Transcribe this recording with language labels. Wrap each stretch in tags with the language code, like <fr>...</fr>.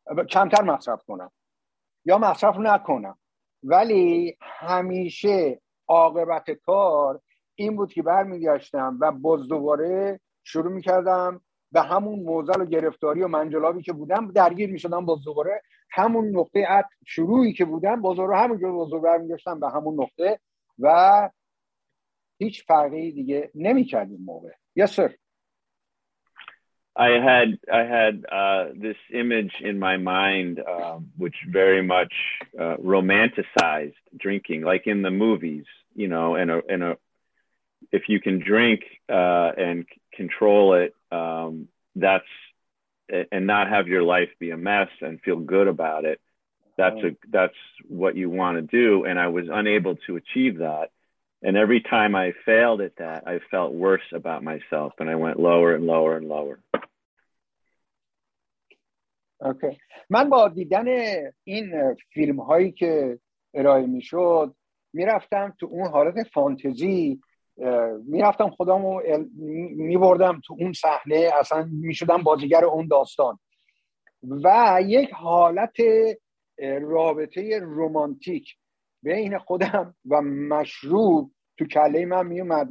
<fa>کمتر مصرف کنم یا مصرف نکنم ولی همیشه عاقبت کار این بود که برمیگشتم و باز دوباره شروع میکردم به همون موزل و گرفتاری و منجلابی که بودم درگیر میشدم باز دوباره همون نقطه عطف شروعی که بودم باز دوباره همونجور باز دوباره برمیگشتم به همون نقطه و هیچ فرقی دیگه نمی کرد این موقع.</fa> <en>Yes, sir. I had this image in my mind which very much romanticized drinking like in the movies, you know, and if you can drink and control it that's and not have your life be a mess and feel good about it, that's what you want to do, and I was unable to achieve that. And every time I failed at that, I felt worse about myself, and I went lower and lower and lower. Okay.</en> <fa>من با دیدن این فیلم هایی که ارائه می شد می رفتم تو اون حالت فانتزی، می رفتم خودمو می بردم تو اون صحنه، اصلا می شدم بازیگر اون داستان و یک حالت رابطه رومانتیک بین خودم و مشروب تو کله من می اومد.</fa>